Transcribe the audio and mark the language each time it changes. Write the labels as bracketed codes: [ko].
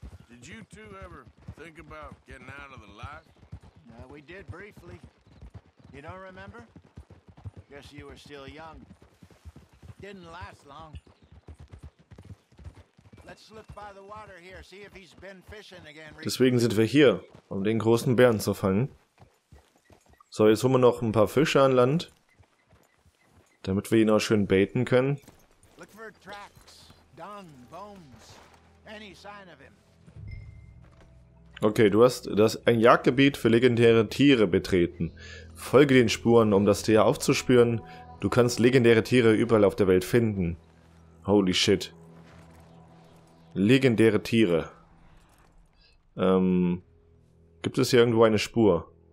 [en] Did you two ever think about getting out of the light? We did briefly. You don't remember? Guess you were still young. Didn't last long. Let's look by the water here, see if he's been fishing again. [de] Deswegen sind wir hier, um den großen Bären zu fangen. So, jetzt holen wir noch ein paar Fische an Land. Damit wir ihn auch schön baiten können. [en] Look for tracks, dung, bones, any sign of him. [de] Okay, du hast das ein Jagdgebiet für legendäre Tiere betreten. Folge den Spuren, um das Tier aufzuspüren. Du kannst legendäre Tiere überall auf der Welt finden. [en] Holy shit. [de] Legendäre Tiere. Gibt es hier irgendwo eine Spur?